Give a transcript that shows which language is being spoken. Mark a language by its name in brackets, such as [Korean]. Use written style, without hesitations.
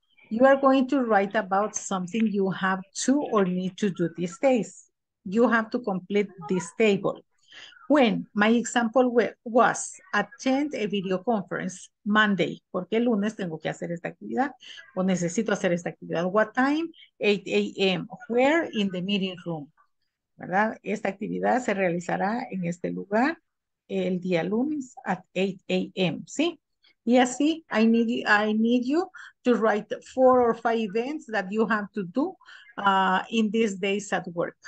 [English] You are going to write about something you have to or need to do these days. you have to complete this table. When, my example was, attend a video conference Monday. [Spanish] ¿Por qué lunes tengo que hacer esta actividad? ¿O necesito hacer esta actividad? [English] What time? 8 a.m. Where? In the meeting room. ¿Verdad? [Spanish] Esta actividad se realizará en este lugar el día lunes [English] at 8 a.m. [Spanish] ¿Sí? Y así, [English] I need you to write 4 or 5 events that you have to do in these days at work.